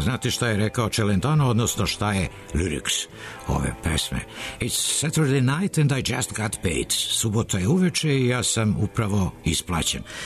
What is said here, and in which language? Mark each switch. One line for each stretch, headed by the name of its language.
Serbian: Znate šta je rekao Celentano, odnosno šta je lyrics ove pesme?
English: It's Saturday night and I just got paid.
Serbian: Subota je uveče i ja sam upravo isplaćen.